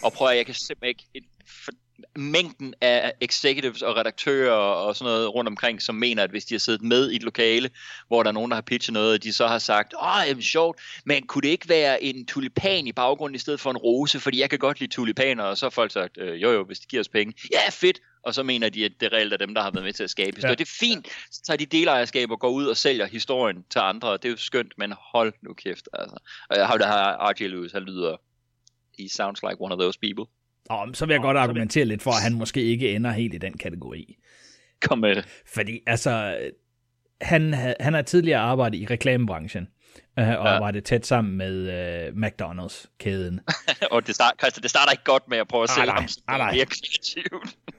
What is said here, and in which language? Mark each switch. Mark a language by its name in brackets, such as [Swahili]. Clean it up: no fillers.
[Danish] Og prøv at jeg kan simpelthen ikke... Mængden af executives og redaktører og sådan noget rundt omkring, som mener, at hvis de har siddet med i et lokale, hvor der er nogen, der har pitchet noget, og de så har sagt, åh, jamen sjovt, men kunne det ikke være en tulipan i baggrunden i stedet for en rose, fordi jeg kan godt lide tulipaner, og så har folk sagt, jo, hvis de giver os penge, ja, fedt, og så mener de, at det reelt er dem, der har været med til at skabe historien. Ja. Det er fint, så tager de delejerskab og går ud og sælger historien til andre, og det er jo skønt, men hold nu kæft, altså. Og jeg har det her R.J. [English] Lewis, [Danish] han lyder, [English] he sounds like one of those people. [Danish] Og så vil jeg godt argumentere lidt for, at han måske ikke ender helt i den kategori. Kom med det. Fordi altså, han har tidligere arbejdet i reklamebranchen, og arbejdet tæt sammen med McDonald's-kæden. Og det starter ikke godt med at prøve at sælge ham, så det er mere kreativt.